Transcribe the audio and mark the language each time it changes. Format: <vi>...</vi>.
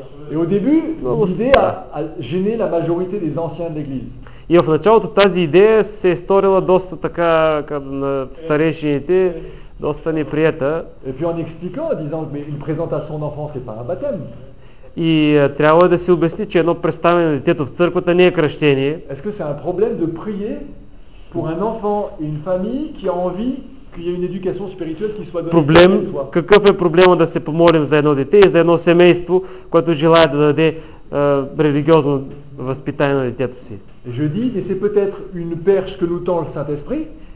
<fr>Et au début, l'idée a gêné la majorité des anciens de l'église.</fr> <bg>И в началото тази идея се е сторила доста така на старейшините. Доста неприета.</bg> <fr>Et puis en expliquant, en disant: mais une présentation d'enfant, c'est pas un baptême.</fr> <bg>И трябва да се обясни, че едно представяне на детето в църквата не е кръщение.</bg> <fr>Est-ce que c'est un problème de prier pour un enfant et une famille qui a envie qu'il y ait une éducation spirituelle qui soit donnée?</fr> <bg>Проблем, какъв е проблема да се помолим за едно дете и за едно семейство, което желае да даде религиозно възпитание на детето си?</bg> <fr>Je dis: mais c'est peut-être une perche que nous tend le Saint-Esprit.</fr>